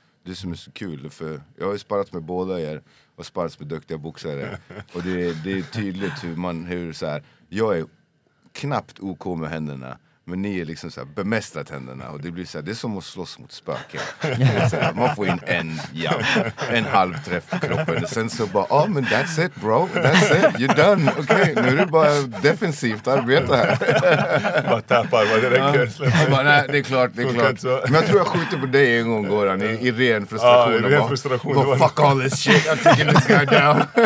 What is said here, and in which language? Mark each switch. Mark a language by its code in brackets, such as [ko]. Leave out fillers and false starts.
[sv] Det som är så kul, för jag har ju sparrat med båda er och sparrat med duktiga boxare. Och det är tydligt hur så här, jag är knappt OK med händerna, men ni är liksom så här bemästrat händerna. Och det blir så här, det är som att slåss mot spöken. Man får in en jam, en halv träff på kroppen. Och sen så bara, men [en] that's it bro, that's it, you're done. [sv] Okej, okay, nu är det bara defensivt arbete här. Bara tappar, vad det räcker. Bara, nej, det är klart. Men jag tror jag skjuter på dig en gång, Goran, i ren frustration. Ja, i ren frustration. [en] Bara, fuck all this shit, I'm taking this guy down.